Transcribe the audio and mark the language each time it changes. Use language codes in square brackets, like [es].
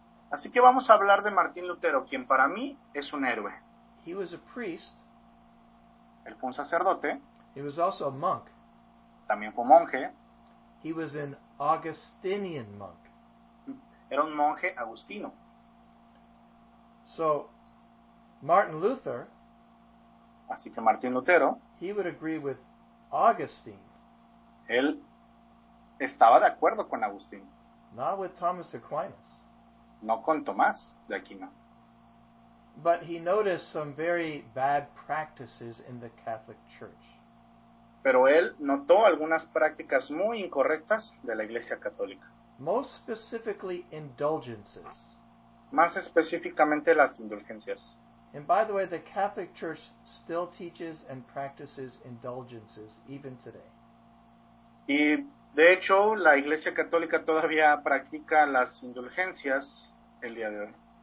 [es] Así que vamos a hablar de Martín Lutero, quien para mí es un héroe. [en] He was a priest. [es] Él fue un sacerdote. [en] He was also a monk. [es] También fue monje. [en] He was an Augustinian monk. [es] Era un monje agustino. [en] So, Martin Luther... [es] Así que Martín Lutero, [en] he would agree with Augustine. [es] Él estaba de acuerdo con Agustín. [en] Not with Thomas Aquinas. [es] No con Tomás de Aquino. [en] But he noticed some very bad practices in the Catholic Church. [es] Pero él notó algunas prácticas muy incorrectas de la Iglesia Católica. [en] Most specifically, indulgences. [es] Más específicamente, las indulgencias. [en] And by the way, the Catholic Church still teaches and practices indulgences, even today. [es] Y de hecho, la Iglesia Católica todavía practica las indulgencias el día de hoy.